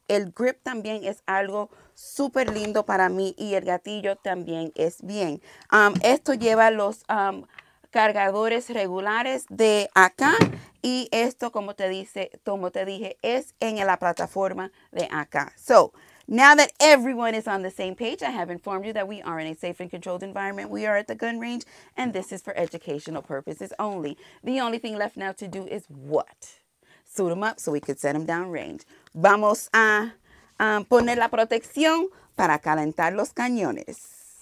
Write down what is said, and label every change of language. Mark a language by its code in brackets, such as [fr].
[es] El grip también es algo súper lindo para mí, y el gatillo también es bien. Esto lleva los cargadores regulares de acá. Y esto, como te dije, es en la plataforma de acá. [en] So, now that everyone is on the same page, I have informed you that we are in a safe and controlled environment. We are at the gun range, and this is for educational purposes only. The only thing left now to do is what? Suit them up so we could set them down range. [es] Vamos a poner la protección para calentar los cañones.